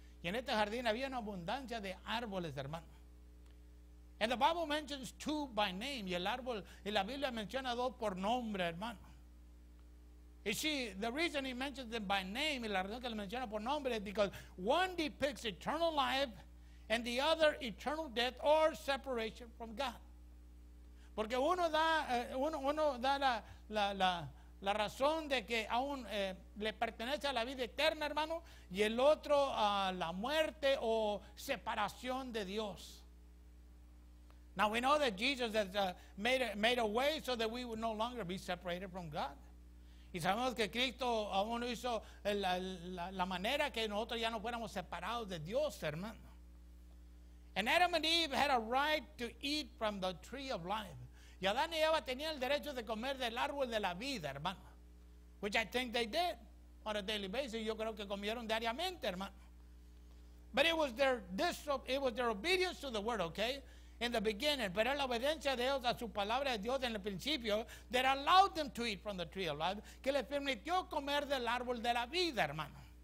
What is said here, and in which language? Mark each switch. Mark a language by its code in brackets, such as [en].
[es] Y en este jardín había una abundancia de árboles, hermano. [en] And the Bible mentions two by name. [es] Y el árbol, y la Biblia menciona dos por nombre, hermano. [en] You see, the reason he mentions them by name, [es] y la razón que le menciona por nombre, [en] is because one depicts eternal life and the other eternal death or separation from God. [es] Porque uno da La razón de que aún le pertenece a la vida eterna, hermano, y el otro a la muerte o separación de Dios. [en] Now we know that Jesus has made a way so that we would no longer be separated from God. [es] Y sabemos que Cristo aún hizo la manera que nosotros ya no fuéramos separados de Dios, hermano. [en] And Adam and Eve had a right to eat from the tree of life. [es] Y Adán y Eva tenían el derecho de comer del árbol de la vida, hermano. [en] Which I think they did on a daily basis. [es] Yo creo que comieron diariamente, hermano. [en] But it was their obedience to the word, okay? In the beginning. [es] Pero la obediencia de ellos a su palabra de Dios en el principio [en] that allowed them to eat from the tree of life, [es] que les permitió comer del árbol de la vida, hermano.